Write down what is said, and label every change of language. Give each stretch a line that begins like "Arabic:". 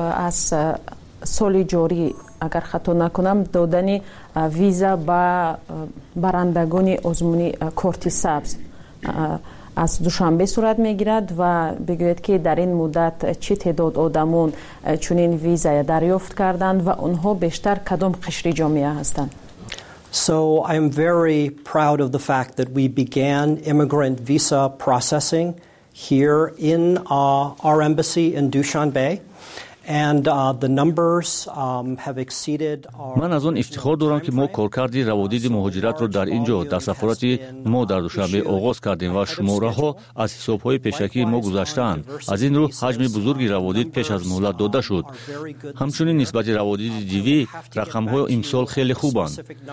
Persian: از سال جاری اگر خطا نکنم دادن ویزا به برندگان آزمون کارت سبز از دوشنبه صورت میگیرد و بگوید که در این مدت چه تعداد آدمون چنین ویزا دریافت کردند و اونها بیشتر کدام قشر جامعه هستند؟
English: So I am very proud of the fact that we began immigrant visa processing here in our embassy in Dushanbe and the numbers have exceeded our
Persian: من از آن افتخار دارم که ما کارکردی روادید مهاجرت رو در اینجا در سفارت ما در دوشنبه آغاز کردیم و شماره ها از حساب های پیشکی ما گذشتند. از این رو حجم بزرگی روادید پیش از مهلت داده شد. همچنین نسبت روادید دیوی رقم های امسال خیلی خوبند.